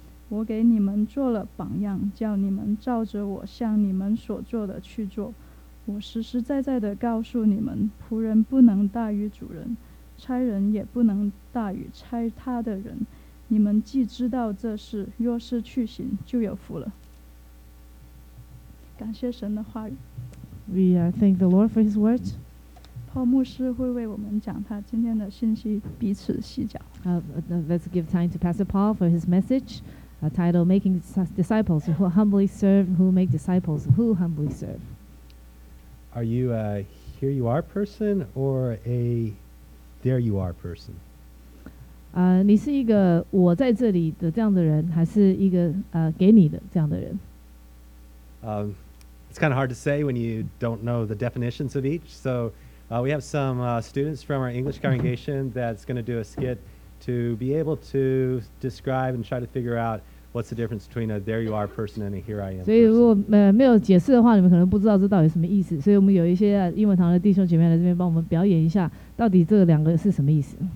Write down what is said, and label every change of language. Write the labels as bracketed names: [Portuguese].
[Chinese] 我给你们做了榜样，叫你们照着我向你们所做的去做。我实实在在的告诉你们，仆人不能大于主人，差人也不能大于差他的人。你们既知道这事，若是去行，就有福了。感谢神的话语。 [English] We thank the Lord for His words. [Chinese] Paul 牧师会为我们讲他今天的信息，彼此洗脚。 [English] Let's give time to Pastor Paul for his message, titled "Making Disciples Who Humbly Serve, Who Make Disciples Who Humbly Serve." Are you a "Here You Are" person or a "There You Are" person? [Chinese] 你是一个我在这里的这样的人，还是一个给你的这样的人？ [English] It's kind of hard to say when you don't know the definitions of each. So, we have some students from our English congregation that's going to do a skit to be able to describe and try to figure out what's the difference between a "there you are" person and a "here I am." [Chinese] 所以如果没有解释的话，你们可能不知道这到底什么意思。所以我们有一些英文堂的弟兄姐妹来这边帮我们表演一下，到底这两个是什么意思。